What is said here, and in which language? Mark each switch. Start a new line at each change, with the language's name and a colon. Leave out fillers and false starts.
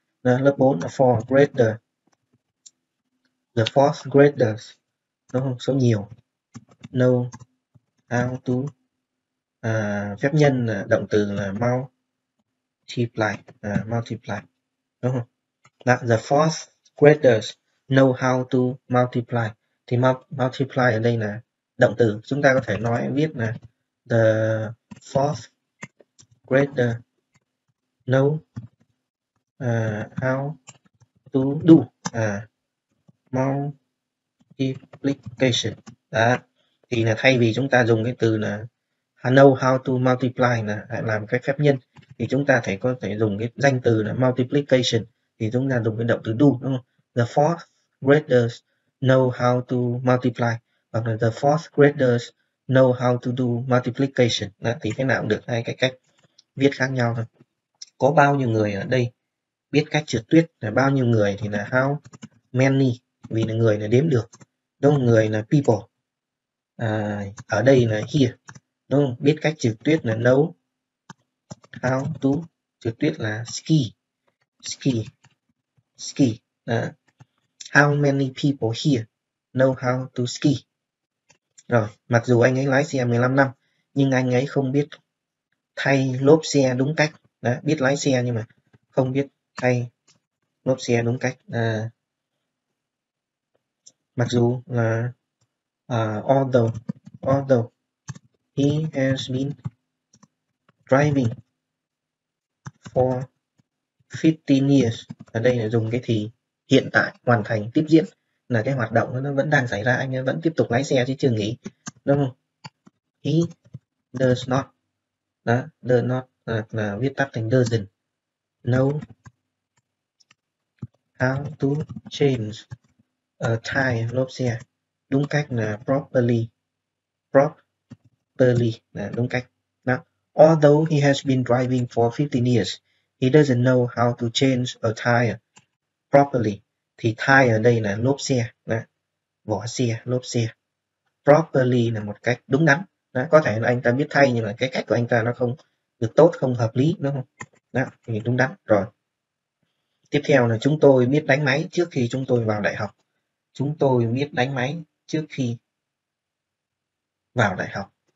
Vietnamese: Là lớp 4 là
English: four grader, the fourth graders,
Vietnamese: đúng không? Số nhiều. Know how to, phép nhân là động từ là multiply, multiply, đúng không?
English: That the fourth graders know how to multiply.
Vietnamese: Thì multiply ở đây là động từ. Chúng ta có thể nói viết là
English: the fourth grader know how to do multiplication.
Vietnamese: Đó. Thì là thay vì chúng ta dùng cái từ là know how to multiply là làm cái phép nhân, thì chúng ta thể có thể dùng cái danh từ là multiplication. Thì chúng ta dùng cái động từ do, đúng không?
English: The fourth graders know how to multiply,
Vietnamese: hoặc là
English: the fourth graders know how to do multiplication.
Vietnamese: Đó, thì thế nào cũng được, hai cái cách viết khác nhau thôi. Có bao nhiêu người ở đây biết cách trượt tuyết, là bao nhiêu người thì là
English: how many,
Vietnamese: vì là người là đếm được, đúng không? Người là people, ở đây là here, đúng không? Biết cách trượt tuyết là
English: know how to,
Vietnamese: trượt tuyết là ski, ski, ski.
English: How many people here know how to ski?
Vietnamese: Rồi, mặc dù anh ấy lái xe 15 năm, nhưng anh ấy không biết thay lốp xe đúng cách. Đó, biết lái xe nhưng mà không biết thay lốp xe đúng cách. Mặc dù là
English: although he has been driving for 15 years,
Vietnamese: ở đây là dùng cái thì hiện tại hoàn thành tiếp diễn, là cái hoạt động nó vẫn đang xảy ra, anh ấy vẫn tiếp tục lái xe chứ chưa nghỉ, đúng không?
English: He does not, đó, does not
Vietnamese: là viết tắt thành
English: doesn't know how to change a tire,
Vietnamese: lốp xe đúng cách là
English: properly, properly
Vietnamese: là đúng cách. Đó.
English: Although he has been driving for 15 years, he doesn't know how to change a tire properly.
Vietnamese: Thì tire ở đây là lốp xe, đó. Vỏ xe, lốp xe. Properly là một cách đúng đắn. Đó. Có thể là anh ta biết thay nhưng mà cái cách của anh ta nó không được tốt, không hợp lý, đúng không? Đó, thì đúng đắn. Rồi. Tiếp theo là chúng tôi biết đánh máy trước khi chúng tôi vào đại học. Chúng tôi biết đánh máy trước khi vào đại học.